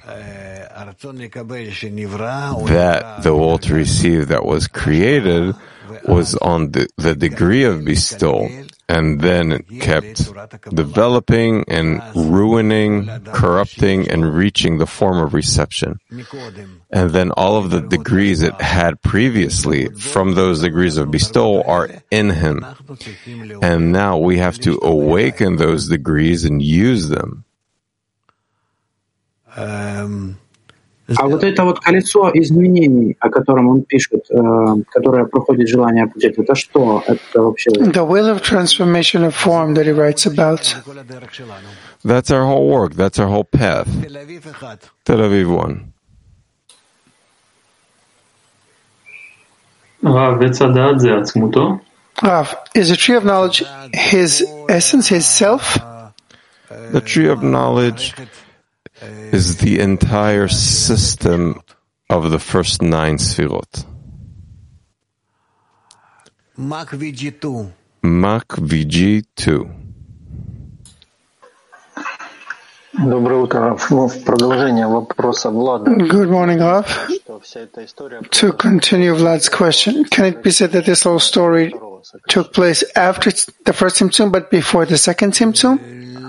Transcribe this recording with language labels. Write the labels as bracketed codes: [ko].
[en] That the will to receive that was created was on the degree of bestowal, and then it kept developing and ruining, corrupting, and reaching the form of reception. And then all of the degrees it had previously from those degrees of bestowal are in him. And now we have to awaken those degrees and use them. [ru] А вот это вот колесо изменений, о котором он пишет, которое проходит желание путей, это что? Это вообще? [en] The will of transformation of form that he writes about. That's our whole work. That's our whole path. Tel Aviv 1. Rav, is the tree of knowledge his essence, his self? The tree of knowledge is the entire system of the first nine sfirot. Mach VG2. [ru] Доброе утро. В продолжение вопроса Влада. [en] Good morning, Rav. To continue Vlad's question, can it be said that this whole story took place after the first Tzimtzum, but before the second Tzimtzum?